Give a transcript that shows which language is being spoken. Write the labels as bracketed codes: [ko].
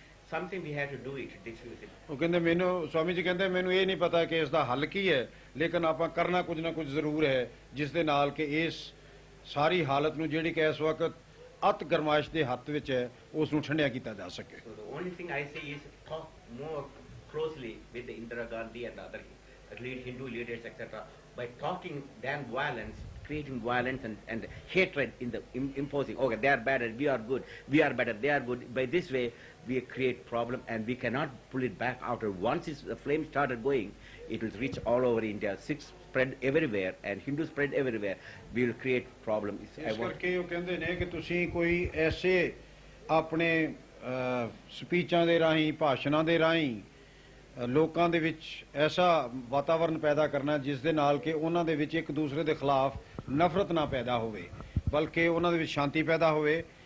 [en] Something we have to do it, diffuse it. [pa] ਉਹ ਕਹਿੰਦੇ ਮੈਨੂੰ, ਸਵਾਮੀ ਜੀ ਕਹਿੰਦੇ ਮੈਨੂੰ ਇਹ ਨਹੀਂ ਪਤਾ ਕਿ ਇਸ ਦਾ ਹੱਲ ਕੀ ਹੈ, ਲੇਕਿਨ ਆਪਾਂ ਕਰਨਾ ਕੁਝ ਨਾ ਕੁਝ ਜ਼ਰੂਰ ਹੈ ਜਿਸ ਦੇ ਨਾਲ ਕਿ ਇਸ ਸਾਰੀ ਹਾਲਤ ਨੂੰ ਜਿਹੜੀ ਕਿ ਇਸ ਵਕਤ ਅਤ ਗਰਮਾਇਸ਼ ਦੇ ਹੱਥ ਵਿੱਚ ਹੈ ਉਸ ਨੂੰ ਠੰਡਿਆ ਕੀਤਾ ਜਾ ਸਕੇ। [en] Only thing I say is talk more closely with Indira Gandhi and other lead Hindu leaders etc. by talking them violence, creating violence and hatred in the imposing, okay, they are bad and we are better, they are good. By this way, we create problem and we cannot pull it back after. Once the flame started going, it will reach all over India. Sikhs spread everywhere and Hindus spread everywhere. We will create problem. [pa] ਇਸ ਕਰਕੇ ਉਹ ਕਹਿੰਦੇ ਨੇ ਕਿ ਤੁਸੀਂ ਕੋਈ ਐਸੇ ਆਪਣੇ ਸਪੀਚਾਂ ਦੇ ਰਾਹੀਂ, ਭਾਸ਼ਣਾਂ ਦੇ ਰਾਹੀਂ ਲੋਕਾਂ ਦੇ ਵਿੱਚ ਐਸਾ ਵਾਤਾਵਰਨ ਪੈਦਾ ਕਰਨਾ ਜਿਸ ਦੇ ਨਾਲ ਕਿ ਉਹਨਾਂ ਦੇ ਵਿੱਚ ਇੱਕ ਦੂਸਰੇ ਦੇ ਖਿਲਾਫ ਨਫ਼ਰਤ ਨਾ ਪੈਦਾ ਹੋਵੇ, ਬਲਕਿ ਉਹਨਾਂ ਦੇ ਵਿੱਚ ਸ਼ਾਂਤੀ ਪੈਦਾ ਹੋਵੇ।